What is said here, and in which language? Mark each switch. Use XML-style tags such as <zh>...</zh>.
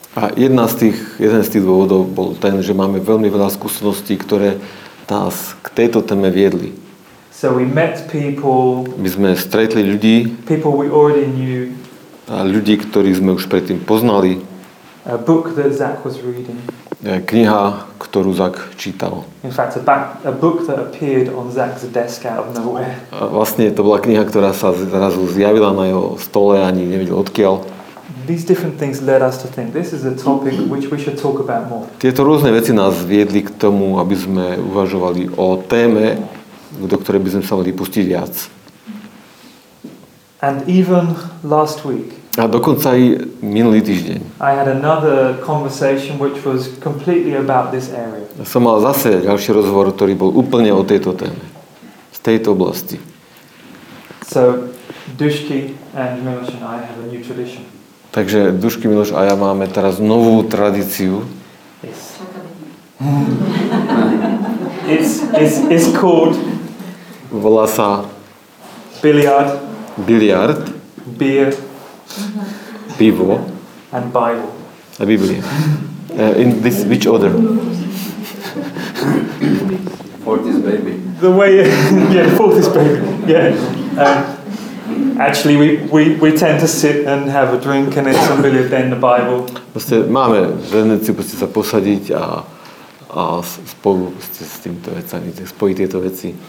<sk>A jeden z tých dôvodov bol ten, že máme veľmi veľa skúseností, ktoré nás k tejto téme viedli.</sk> <en>So we met people.</en> <sk>My sme stretli ľudí.</sk> <en>People we already knew.</en> <sk>A ľudí, ktorých sme už predtým poznali.</sk> <en>A book that Zach was reading.</en> <sk>Kniha, ktorú Zach čítal.</sk> <en>In fact, a book that appeared on Zach's desk out of nowhere.</en> <sk>A vlastne to bola kniha, ktorá sa zrazu zjavila na jeho stole, ani nevedel odkiaľ.</sk> <en>These different things led us to think this is a topic which we should talk about more.</en> <sk>Tieto rôzne veci nás viedli k tomu, aby sme uvažovali o téme, do ktorej by sme sa mali pustiť viac.</sk> <en>And even last week.</en> <sk>A dokonca aj minulý týždeň.</sk> <en>I had another conversation which was completely about this area.</en> <sk>Som mal zase ďalší rozhovor, ktorý bol úplne o tejto téme. Z tejto oblasti.</sk> <en>So Dušky and Miloš and I have a new tradition.</en> <sk>Takže Dušky, Miloš a ja máme teraz novú tradíciu.</sk> <en>Yes. It's called.</en> <sk>Volá sa</sk> <en>Billiard.</en> <sk>Billiard.</sk> <en>Beer.</en> <sk>Pivo.</sk> <en>And Bible.</en> <sk>A Biblia.</sk> <en>In this which order? Fortis baby. The way yeah, Fortis baby. Yeah. Actually we tend to sit and have a drink and it's somebody then the Bible.</en> <sk>Proste máme venecie, proste sa posadiť a spolu s týmto vecami, spojiť tieto veci.</sk>